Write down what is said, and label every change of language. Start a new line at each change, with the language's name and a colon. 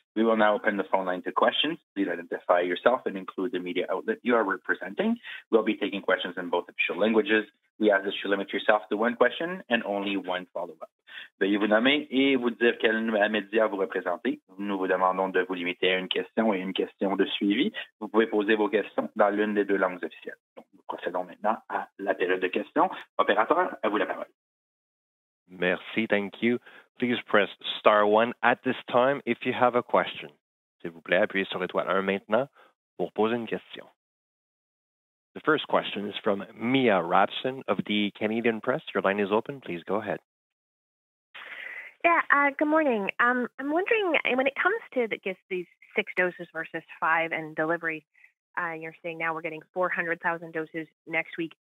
English: We will now open the phone line to questions. Please identify yourself and include the media outlet you are representing. We'll be taking questions in both official languages. We ask that you limit yourself to one question and only one follow-up.
French: Veuillez vous nommer et vous dire quel média vous représentez. Nous vous demandons de vous limiter à une question et une question de suivi. Vous pouvez poser vos questions dans l'une des deux langues officielles. Donc, nous procédons maintenant à la période de questions. Opérateur, à vous la parole. Merci,
English: thank you. Please press star 1 at this time if you have a question.
French: S'il vous plaît, appuyez sur étoile 1 maintenant pour poser une question.
English: The first question is from Mia Rapson of the Canadian Press. Your line is open. Please go ahead. Yeah, good morning. I'm wondering, when it comes to these 6 doses versus 5 and delivery, you're saying now we're getting 400,000 doses next week.